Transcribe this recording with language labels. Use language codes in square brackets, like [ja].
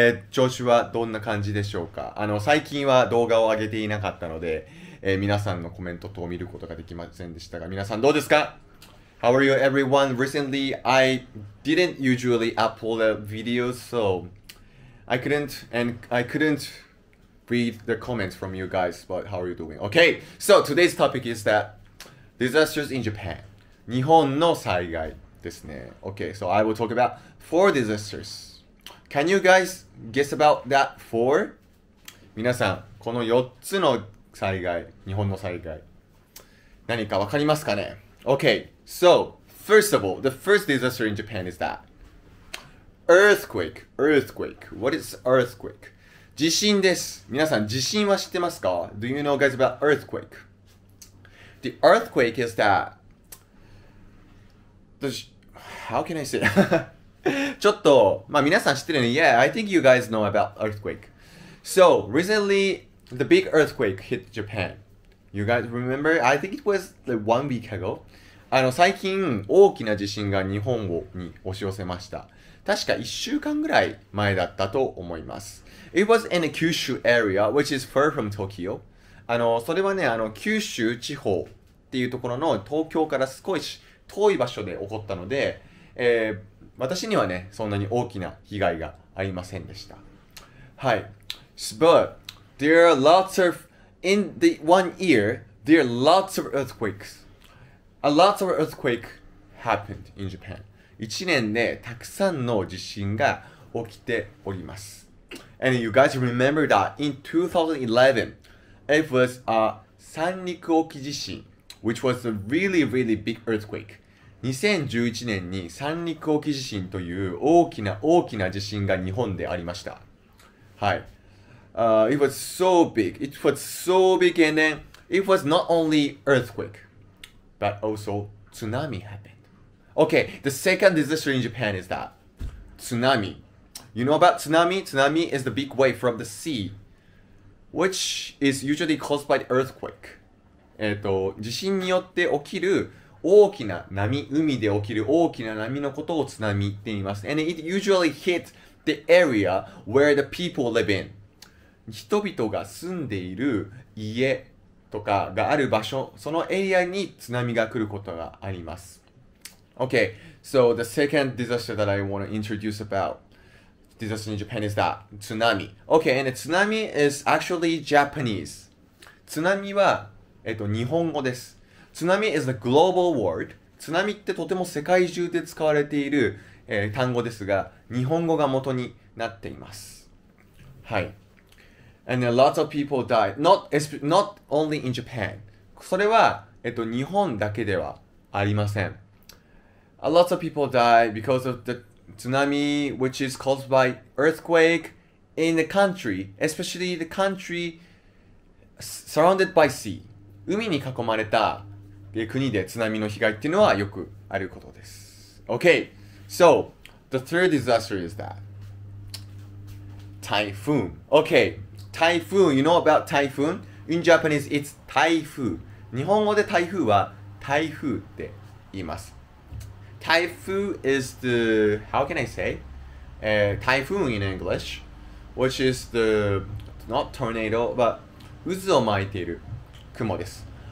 [ja] 調子はどんな感じでしょうか？最近は動画を上げていなかったので、皆さんのコメント等を見ることができませんでしたが、皆さんどうですか？ [en] How are you, everyone? Recently, I didn't usually upload a video, so I couldn't read the comments from you guys, but how are you doing? Okay, so today's topic is that disasters in Japan. [ja] 日本の災害ですね。 [en] Okay, so I will talk about four disasters. Can you guys guess about that four? [ja] 皆さん、この4つの災害、日本の災害、何かわかりますかね？ [en] Okay. So, first of all, the first disaster in Japan is that earthquake. What is earthquake? [ja] 地震です。皆さん、地震は知ってますか？ [en] Do you know guys about earthquake? The earthquake is that... How can I say that? [ja] ちょっと、まあ皆さん知ってるね。 [en] Yeah, I think you guys know about earthquake. So, recently, the big earthquake hit Japan. You guys remember? I think it was like one week ago. [ja] 最近大きな地震が日本に押し寄せました。確か1週間ぐらい前だったと思います。 [en] It was in a Kyushu area, which is far from Tokyo. [ja] それはね、九州地方っていうところの東京から少し遠い場所で起こったので、私にはね、そんなに大きな被害がありませんでした。はい。 [en] But there are lots of, in the one year, there are lots of earthquakes. A lot of earthquake happened in Japan. [ja] 1年でたくさんの地震が起きております。 [en] And you guys remember that in 2011, it was a 三陸沖地震, which was a really, really big earthquake. [ja] 2011年に三陸沖地震という大きな大きな地震が日本でありました。 [en] はい。It was so big. It was so big and then it was not only earthquake. But also, tsunami happened. Okay, the second disaster in Japan is that tsunami. You know about tsunami? Tsunami is the big wave from the sea, which is usually caused by the earthquake. [ja] 地震によって起きる大きな波、海で起きる大きな波のことを津波って言います。 [en] And it usually hits the area where the people live in. [ja] 人々が住んでいる家、とかがある場所、そのエリアに津波が来ることがあります。 [en] Okay, so the second disaster that I want to introduce about disaster in Japan is that tsunami. Okay, and tsunami is actually Japanese. [ja] 津波は、日本語です。 [en] 津波 is a global word. [ja] 津波ってとても世界中で使われている、単語ですが、日本語が元になっています。 [en] はい。And a lot of people died. Not only in Japan. [ja] それは、日本だけではありません。 [en] A lot of people died because of the tsunami, which is caused by earthquake in the country, especially the country surrounded by sea. [ja] 海に囲まれた国で津波の被害っていうのはよくあることです。 [en] Okay, so the third disaster is that. Typhoon. Okay. Typhoon, you know about typhoon? In Japanese, it's 台風。 [ja] 日本語で台風は台風って言います。 [en] 台風 is the, how can I say?、typhoon in English, which is the, not tornado, but [ja] 渦を巻いている雲です。